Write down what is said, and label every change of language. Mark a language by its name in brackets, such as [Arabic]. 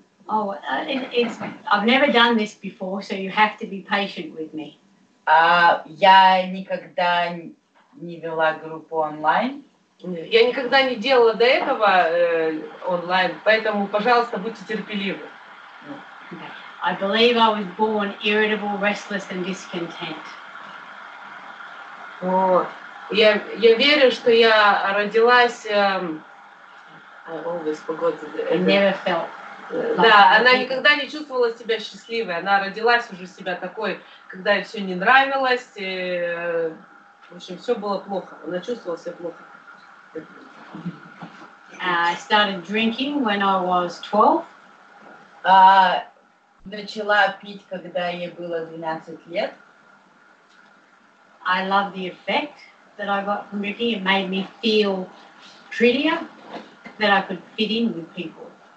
[English] I've never done this before, so you have to be patient with me. [Russian] Я никогда не вела группу онлайн. Я никогда не делала до этого онлайн, поэтому, пожалуйста, будьте терпеливы. [English] I believe I was born irritable, restless, and discontent. [Russian] Я верю, что я родилась. [English] Never felt. [Russian] Да, она никогда не чувствовала себя счастливой. Она родилась уже себя такой, когда ей все не нравилось. И, в общем, все было плохо. Она чувствовала себя плохо. [English] I started drinking when I was 12. [Russian] Начала пить, когда ей было 12 лет. [English] I love the effect that I got from drinking. It made me feel prettier, that I could fit in with people.